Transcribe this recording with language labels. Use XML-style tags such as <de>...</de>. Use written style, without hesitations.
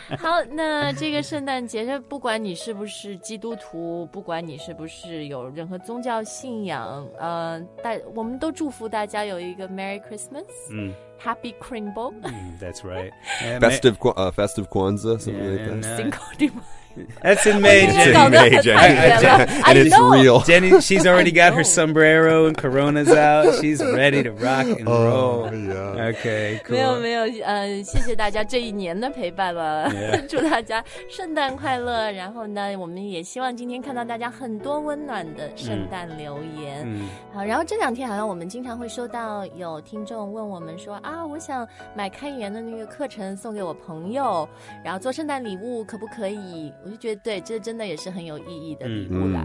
<zh>好那这个圣诞节就不管你是不是基督徒不管你是不是有任何宗教信仰、我们都祝福大家有一个 Merry Christmas.、 Mm.</zh> <en>Happy Kringle.、 Mm, that's right. Festive Kwanzaa, something yeah, like that. Cinco de Mayo. That's in May, Jenny. It's in May, Jenny. And it's real. Jenny, she's already got her sombrero and coronas out. She's ready to rock and roll. Yeah. Okay, cool.</en> <zh>没有没有、谢谢大家这一年的陪伴了。</zh> <en>Yeah.</en> <zh>祝大家圣诞快乐。然后呢我们也希望今天看到大家很多温暖的圣诞留言。嗯、好然后这两天好像我们经常会收到有听众问我们说啊我想买开源的那个课程送给我朋友然后做圣诞礼物可不可以我就觉得对这真的也是很有意义的礼物啦、</zh>